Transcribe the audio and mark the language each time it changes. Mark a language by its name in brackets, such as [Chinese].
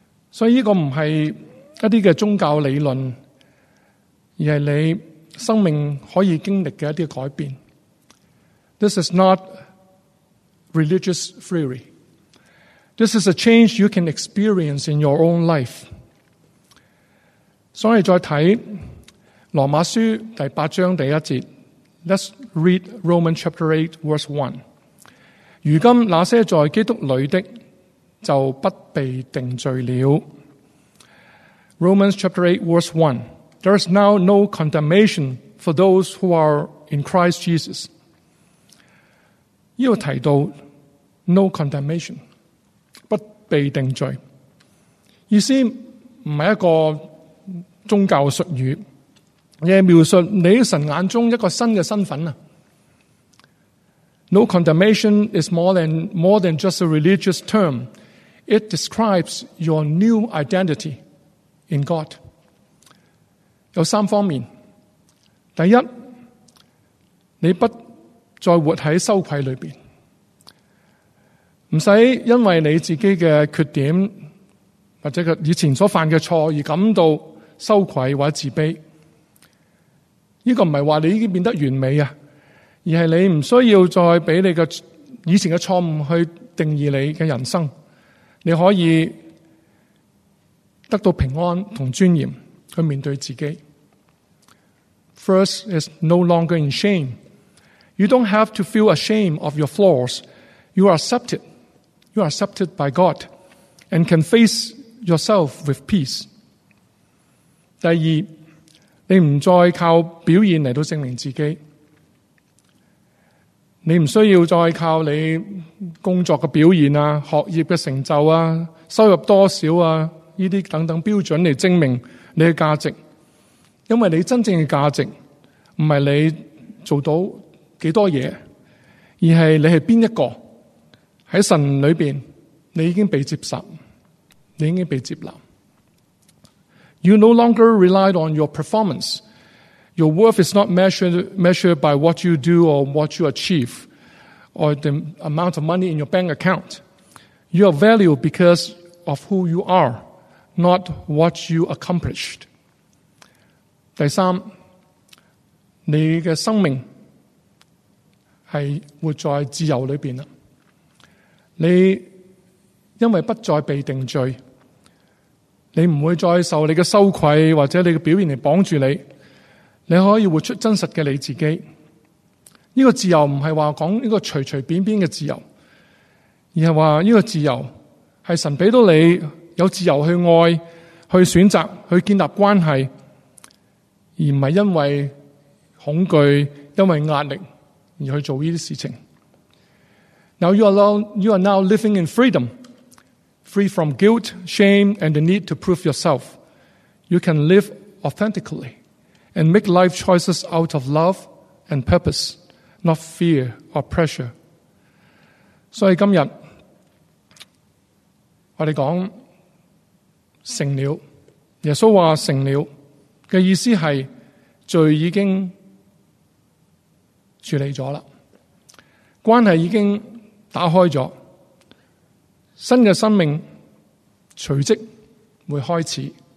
[Chinese] 所以这个不是一些宗教理论，而是你生命可以经历的一些改变。 [English] This is not religious theory. This is a change you can experience in your own life. [Chinese] 所以再看罗马书第八章第一节， [English] Let's read Romans chapter 8 verse 1. [Chinese] 如今那些在基督里的就不被定罪了。 [English] Romans chapter 8 verse 1. There is now no condemnation for those who are in Christ Jesus. [Chinese] 这个提到 [English] no condemnation, [Chinese] 不被定罪。意思不是一个宗教术语，而是描述你神眼中一个新的身份。 [English] No condemnation is more than just a religious term. It describes your new identity in God. [Chinese] 有三方面。第一，你不再活在羞愧里面。不用因为你自己的缺点或者以前所犯的错而感到羞愧或自卑。这个不是说你已经变得完美，而是你不需要再被你的以前的错误去定义你的人生，你可以得到平安和尊严去面对自己。 [English] First is no longer in shame. You don't have to feel ashamed of your flaws. You are accepted. You are accepted by God and can face yourself with peace. [Chinese] 第二，你不再靠表现来证明自己，你不需要再靠你工作的表现、学业的成就、收入多少、这些等等标准来证明你的价值。因为你真正的价值不是你做到多少东西，而是你是哪一个。在神里面你已经被接受，你已经被接纳。 [English] You no longer rely on your performance. Your worth is not measured by what you do or what you achieve or the amount of money in your bank account. You are valued because of who you are, not what you accomplished. [Chinese] 第三，你的生命是活在自由里面。你因为不再被定罪，你不会再受你的羞愧或者你的表现来绑住你，你可以活出真实的你自己。这个自由不是说讲一个随随便便的自由，而是说这个自由是神给到你有自由去爱、去选择、去建立关系，而不是因为恐惧、因为压力而去做这些事情。 [English] Now you are now living in freedom. Free from guilt, shame, and the need to prove yourself. You can live authentically and make life choices out of love and purpose, not fear or pressure. [Chinese] 所以今天我们讲成了，耶稣说成了的意思是罪已经处理了，关系已经打开了，新的生命随即会开始。